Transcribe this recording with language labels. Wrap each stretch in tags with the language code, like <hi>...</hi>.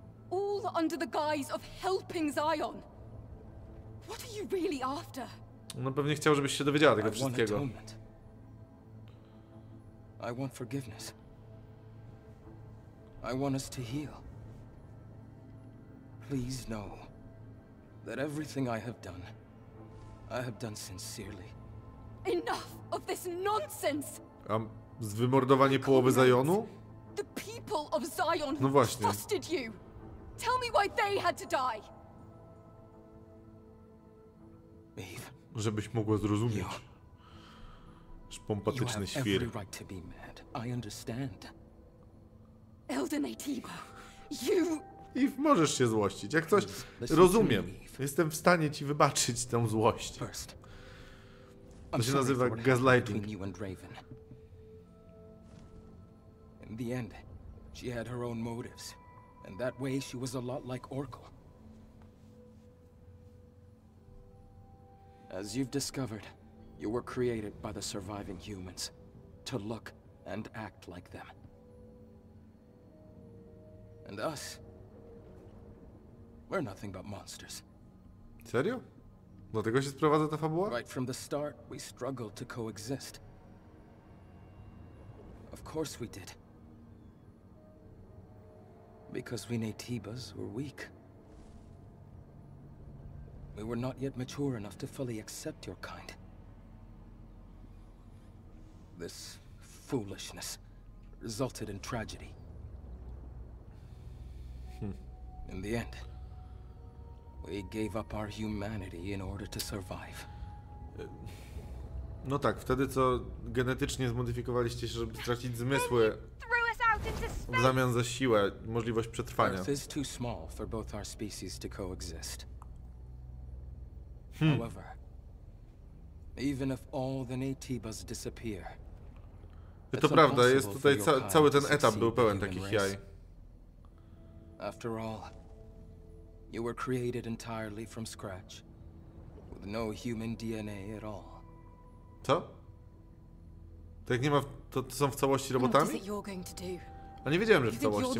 <en>All under the guise of helping Zion. What are you really after?</en> <pl>No pewnie chciał, żebyś się dowiedziała tego wszystkiego.</pl> <en>I want forgiveness. I want us to heal. Please know that everything I have done sincerely. Enough of this nonsense.</en> <pl>Wymordowanie połowy Zionu?</pl> <en>The people of Zion.</en> <pl>No właśnie.</pl> <en>Trusted you. Tell me why they had to die. Eve.</en> <pl>Żebyś mogła zrozumieć. Szpompatyczny świr.</pl> <en>You have every right to be mad. I understand. Elder Nejciba, you.</en> <pl>Eve, możesz się złościć. Jak coś rozumiem. Jestem w stanie ci wybaczyć tę złość.</pl> <en>First.</en> <pl>To się nazywa gaslighting.</pl> <en>You and Raven. In the end, she had her own motives. And that way she was a lot like Oracle. As you've discovered, you were created by the surviving humans to look and act like them. And us, we're nothing but monsters.</en> <pl>Serio? Do tego się sprowadza ta fabuła?</pl> <en>Right from the start, we struggled to coexist. Of course we did. Because we Nejtibas were weak. We were not yet mature enough to fully accept your kind. This foolishness resulted in tragedy. In the end, we gave up our humanity in order to survive.</en> <pl>No tak, wtedy co genetycznie zmodyfikowaliście się, żeby stracić zmysły w zamian za siłę, możliwość przetrwania.</pl> <en>Earth is too small for both our species to coexist. However, even if all the Natibas disappear,</en> <pl>to prawda, jest tutaj cały ten etap był pełen takich jaj.</pl> <en>After all, you were created entirely from scratch, with no human DNA at all.</en> <pl>Co? To jak nie ma, to są w całości robotami? A nie wiedziałem, że w całości.</pl>